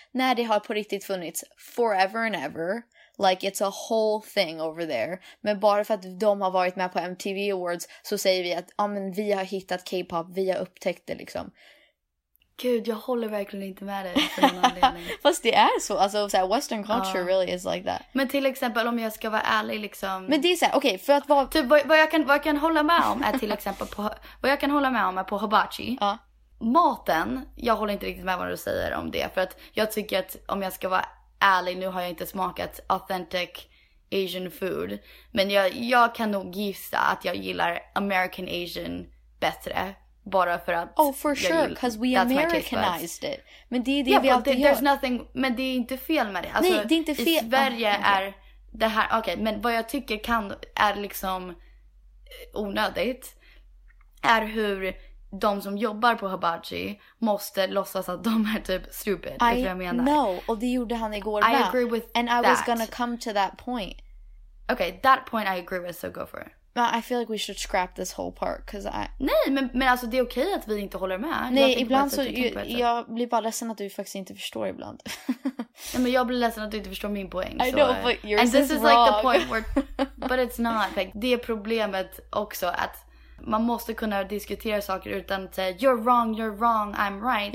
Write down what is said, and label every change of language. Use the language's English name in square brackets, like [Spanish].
[Swedish] När det har på riktigt funnits [English] forever and ever. Like, it's a whole thing over there. [Swedish] Men bara för att de har varit med på MTV Awards så säger vi att, ja, men vi har hittat K-pop, vi har upptäckt det, liksom. Gud, jag håller verkligen inte med dig. Fast det är så. Alltså, så här, [English] Western culture really is like that. [Swedish] Men till exempel, om jag ska vara ärlig liksom... Men det är så här, okej, för att vara... Typ, vad jag kan hålla med om är till exempel på... Vad jag kan hålla med om är på hibachi. Ja. Maten, jag håller inte riktigt med vad du säger om det. För att jag tycker att om jag ska vara ärlig, nu har jag inte smakat [English] authentic Asian food. [Swedish] Men jag kan nog gissa att jag gillar American Asian bättre. Bara för att... [English] Oh, for sure, because we Americanized it. [Swedish] Men det är det vi alltid gör. Nothing, men det är inte fel med det. Alltså, nej, det är inte fel. I Sverige är det här... Okej, okay, men vad jag tycker är liksom onödigt är hur de som jobbar på hibachi måste låtsas att de är typ stupid. [English] I know, [Swedish] och det gjorde han igår. [English] I agree with and that. And I was gonna come to that point. Okay, that point I agree with, so go for it. I feel like we should scrap this whole part. [Swedish] Nej, men alltså det är okej att vi inte håller med. Nej, ibland så... Jag blir bara ledsen att du faktiskt inte förstår ibland. Nej, men jag blir ledsen att du inte förstår min poäng. [English] I know, but yours is wrong. And this is like the point where... But it's not. [Swedish] Like, det är problemet också att man måste kunna diskutera saker utan att säga [English] you're wrong, I'm right.